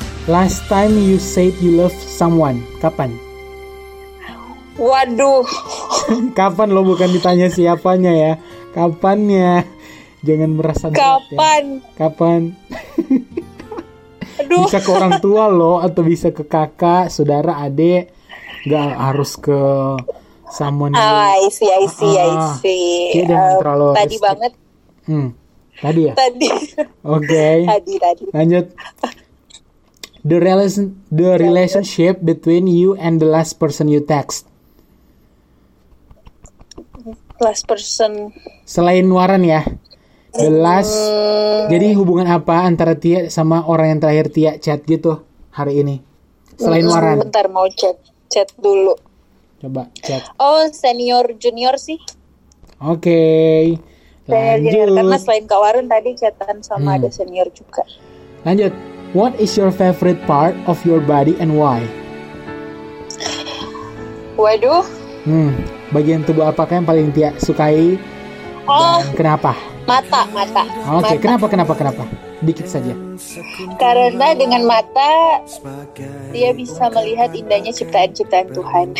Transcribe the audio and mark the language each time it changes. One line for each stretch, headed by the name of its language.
English: Last time you said you love someone,
Indonesian: kapan? Waduh. Kapan lo, bukan ditanya siapanya ya. Kapannya? Jangan merasa berat. Kapan? Ya. Kapan? Aduh. Bisa ke orang tua lo atau bisa ke kakak, saudara, adik. Gak harus ke someone.
English: I see.
Indonesian: Jangan terlalu tadi risk. Banget. Tadi ya? Tadi.
English: Okay.
Indonesian: Tadi. Lanjut.
English: The relationship between you and the last person you text. Last person.
Indonesian: Selain Waran ya.
English: The last.
Indonesian: Jadi hubungan apa antara Tia sama orang yang terakhir Tia chat gitu hari ini? Selain Waran. Bentar, mau chat dulu. Coba chat. Oh, senior junior sih. Oke. Okay. Lanjut. Senior, karena selain Kak Waran tadi chatan sama ada senior juga. Lanjut.
English: What is your favorite part of your body and why?
Indonesian: Waduh. Bagian tubuh apakah yang paling dia sukai? Oh. Dan kenapa? Mata. Oke, okay. Kenapa? Dikit saja. Karena dengan mata dia bisa melihat indahnya ciptaan-ciptaan Tuhan.